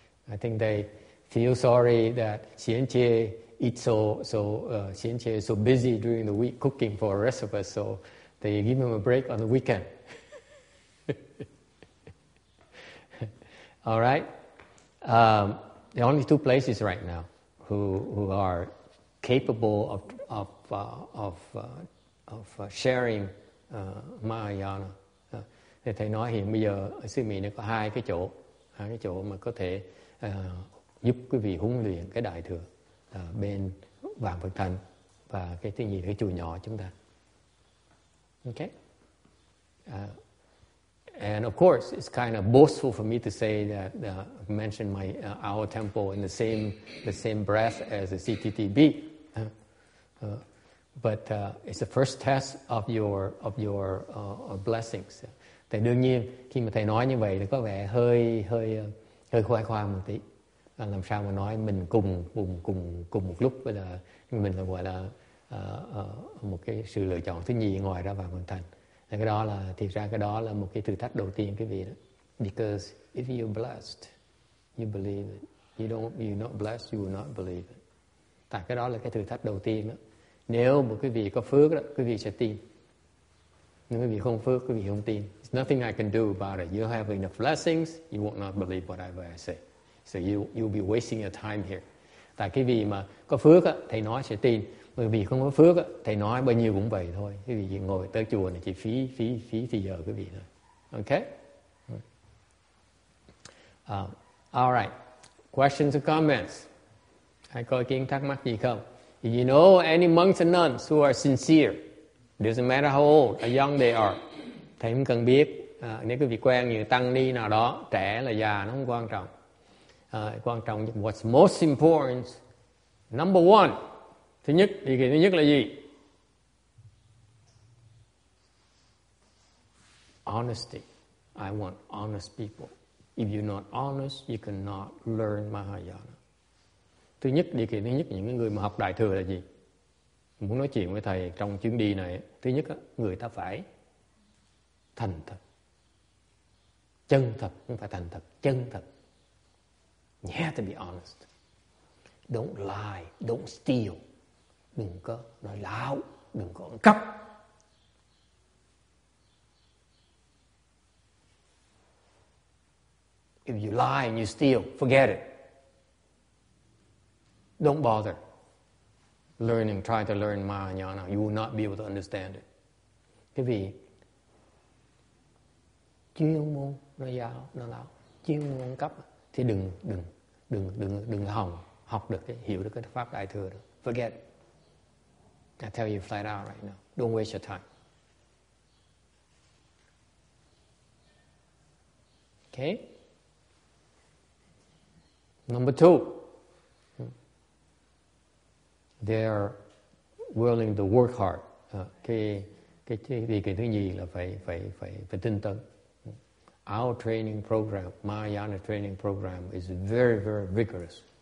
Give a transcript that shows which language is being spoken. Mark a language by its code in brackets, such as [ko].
[en] I think they feel sorry that Xian Che is so busy during the week cooking for the rest of us, so they give him a break on the weekend. All right. There are only two places right now who are capable of sharing Mahayana. [vi] Thầy nói hiện bây giờ ở xứ Mỹ nó có hai cái chỗ ở cái chỗ mà có thể giúp quý vị huấn luyện cái đại thừa bên Vạn Phật Thành và cái thứ gì cái chùa nhỏ chúng ta. [en] Ok. And of course, it's kind of boastful for me to say that mention my our temple in the same breath as the CTTB. But it's the first test of your blessings. [vi] Thì đương nhiên khi mà thầy nói như vậy thì có vẻ hơi khoai khoang một tí. Làm sao mà nói mình cùng một lúc với là mình là gọi là một cái sự lựa chọn thứ nhì ngoài ra vào hoàn thành. Cái đó là thiệt ra cái đó là một cái thử thách đầu tiên quý vị đó. [en] Because if you're blessed, you believe it. You're not blessed, you will not believe it. [vi] Tại cái đó là cái thử thách đầu tiên đó. Nếu một quý vị có phước đó, quý vị sẽ tin. Nếu quý vị không phước, quý vị không tin. [en] There's nothing I can do about it. You're having the blessings, you will not believe whatever I say. So you'll be wasting your time here. [vi] Tại quý vị mà có phước á, thầy nói sẽ tin. Quý vị không có phước á, thầy nói bao nhiêu cũng vậy thôi. Quý vị ngồi tới chùa này chỉ phí thì giờ quý vị thôi. Ok? [en] All right. Questions or comments? [vi] Ai có ý kiến thắc mắc gì không? [en] If you know any monks and nuns who are sincere, doesn't matter how old or young they are, [vi] thầy không cần biết. Nếu quý vị quen như tăng ni nào đó, trẻ là già nó không quan trọng. Quan trọng nhất, [en] what's most important, number one, [vi] thứ nhất là gì? [en] Honesty. I want honest people. If you're not honest, you cannot learn Mahayana. [vi] Thứ nhất, điều kiện thứ nhất những người mà học Đại Thừa là gì? Muốn nói chuyện với thầy trong chuyến đi này, thứ nhất, người ta phải thành thật. Chân thật, không phải thành thật, chân thật. [en] You have to be honest. Don't lie, don't steal. [vi] Đừng có nói láo, đừng có ăn cắp. [en] If you lie and you steal, forget it. Don't bother learning, try to learn Mahayana. You will not be able to understand it. [vi] Cái vì chuyên môn nó giáo, nó láo, chuyên môn ăn cắp thì đừng hòng học được cái hiểu được cái pháp đại thừa đó. [en] Forget it. I tell you flat out right now. Don't waste your time. Okay? Number two. They are willing to work hard. [vi] Cái thứ nhì là phải tinh tấn. [en] Our training program, Mahayana training program is very, very rigorous.